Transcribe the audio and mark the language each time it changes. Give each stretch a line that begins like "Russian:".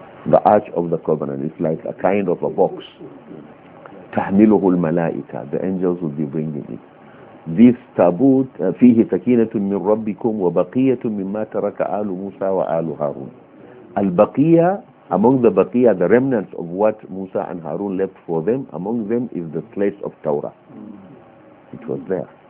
English: The arch of the covenant is like a kind of a box.
Arabic: تحمله الملائكة.
English: The angels will be bringing it.
Arabic: This tabut فيه سكينة من ربكم وبقية مما ترك آل موسى وآل هارون.
English: البقية, among the baqiyah, the remnants of what Musa and Harun left for them, among them is the place of Torah. Mm. It was there.